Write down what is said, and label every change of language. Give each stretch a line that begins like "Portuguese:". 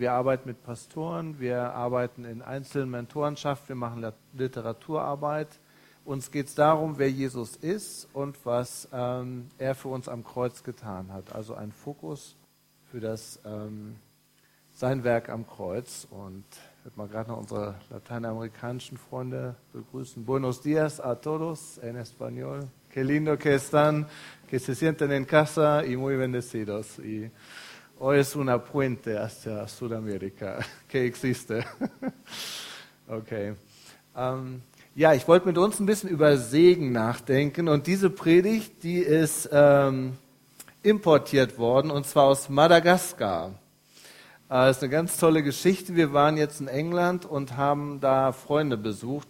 German: Wir arbeiten mit Pastoren, wir arbeiten in Einzelmentorenschaft, wir machen Literaturarbeit. Uns geht es darum, wer Jesus ist und was er für uns am Kreuz getan hat. Also ein Fokus für das sein Werk am Kreuz. Und ich würde mal gerade noch unsere lateinamerikanischen Freunde begrüßen.
Spanish: Buenos dias a todos en español. Qué lindo que están, que se sienten en casa y muy bendecidos. Y hoy es una puente hacia Sudamérica que existe. Okay.
German: Ja, ich wollte mit uns ein bisschen über Segen nachdenken. Und diese Predigt, die ist importiert worden, und zwar aus Madagaskar. Das ist eine ganz tolle Geschichte. Wir waren jetzt in England und haben da Freunde besucht.